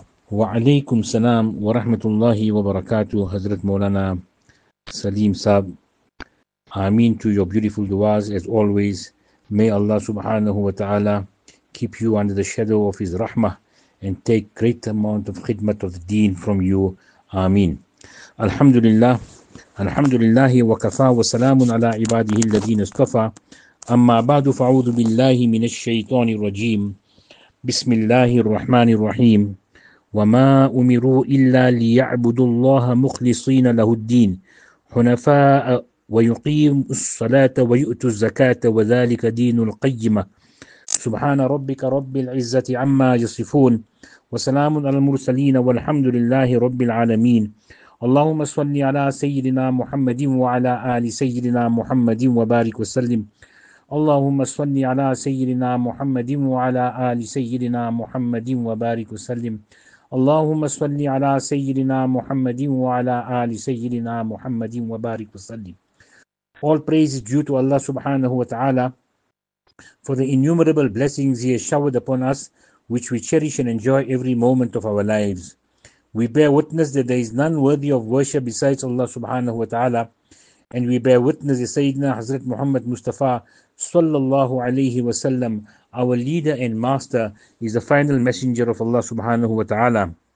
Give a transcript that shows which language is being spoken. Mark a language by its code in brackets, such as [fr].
[ar] وعليكم السلام ورحمة الله وبركاته حضرت مولانا سليم صاحب. [en] آمين to your beautiful دعاز as always. May Allah subhanahu wa ta'ala keep you under the shadow of his rahmah and take great amount of khidmat of the deen from you. [ar] Amin. Alhamdulillah. Alhamdulillah wa kafa wa salamun ala ibadihi alladhina istafa. Amma ba'du fa'udhu billahi min ash-shaytani rajim. Bismillahi ar-Rahman ar-Rahim. وما أمروا إلا ليعبدوا الله مخلصين له الدين حنفاء ويقيموا الصلاة ويؤتوا الزكاة وذلك دين القيمة سبحان ربك رب العزة عما يصفون وسلام على المرسلين والحمد لله رب العالمين اللهم صل على سيدنا محمد وعلى آل سيدنا محمد وبارك وسلم اللهم صل على سيدنا محمد وعلى آل سيدنا محمد وبارك وسلم اللهم صل على سيدنا محمد وعلى آل سيدنا محمد وبارك وسلم. [en] All praise is due to Allah subhanahu wa ta'ala for the innumerable blessings He has showered upon us, which we cherish and enjoy every moment of our lives. We bear witness that there is none worthy of worship besides Allah subhanahu wa ta'ala, and we bear witness that Sayyidina Hazrat Muhammad Mustafa sallallahu alayhi wa sallam, our leader and master, is the final messenger of Allah subhanahu wa ta'ala.